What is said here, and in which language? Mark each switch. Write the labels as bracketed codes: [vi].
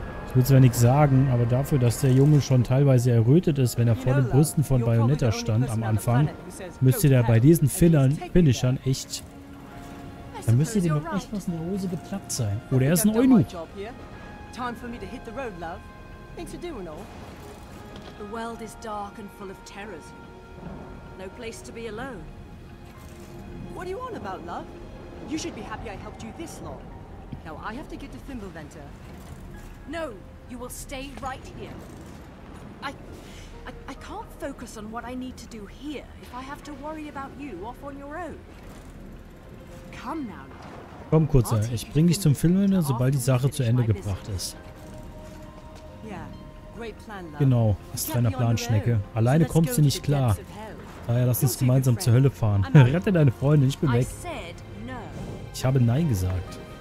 [de] Ich will zwar nichts sagen, aber dafür, dass der Junge schon teilweise errötet ist, wenn er vor den Brüsten von Bayonetta stand am Anfang, müsste der bei diesen Finishern echt... Da müsste dem doch echt was in der Hose geplatzt sein. Oder er ist ein Eunuch. [en] Time for me to hit the road, love. Things to do and all. The world is dark and full of terrors. No place to be alone. What do you want about, love? You should be happy I helped you this long. Now I have to get to Thimbleventer. No, you will stay right here. I can't focus on what I need to do here if I have to worry about you off on your own. Come now. [de] Komm kurz, ich bring dich zum Filmen, sobald die Sache zu Ende gebracht ist. Ja, [en] great plan, love. [de] Genau, das ist deine Planschnecke. Alleine kommst du nicht klar. Naja, lass uns gemeinsam zur Hölle fahren. Rette deine Freundin, ich bin weg. Ich habe nein gesagt.